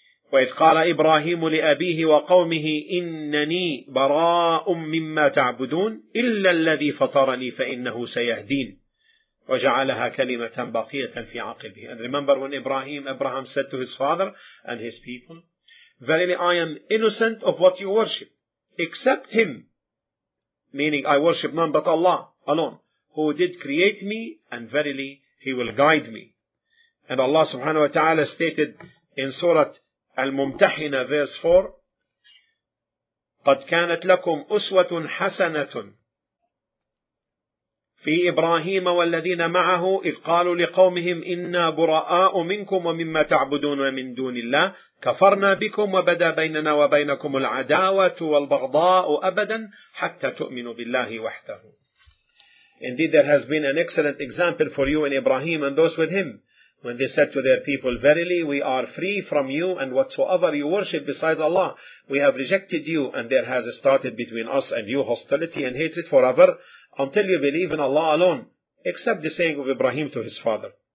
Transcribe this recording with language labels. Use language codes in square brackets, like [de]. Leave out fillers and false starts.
[ar] وَإِذْ قَالَ إِبْرَاهِيمُ لِأَبِيهِ وَقَوْمِهِ إِنَّنِي بَرَاءٌ مِّمَّا تَعْبُدُونَ إِلَّا الَّذِي فَطَرَنِي فَإِنَّهُ سَيَهْدِينَ وَجَعَلَهَا كَلِمَةً بَقِيَةً فِي عَقِبِهِ. [en] And remember when Abraham said to his father and his people, verily I am innocent of what you worship, except him, meaning I worship none but Allah alone, who did create me, and verily he will guide me. And Allah subhanahu wa ta'ala stated in Surah Al-Mumtahina verse 4, [ar] قَدْ كَانَتْ لَكُمْ أُسْوَةٌ حَسَنَةٌ في إبراهيم والذين معه إذ قالوا لقومهم إنا براء منكم ومما تعبدون من دون الله كفرنا بكم وبدا بيننا وبينكم العداوة والبغضاء أبدا حتى تؤمنوا بالله وحده. [en] Indeed, there has been an excellent example for you in Ibrahim and those with him when they said to their people, verily we are free from you and whatsoever you worship besides Allah, we have rejected you, and there has started between us and you hostility and hatred forever, until you believe in Allah alone, except the saying of Ibrahim to his father.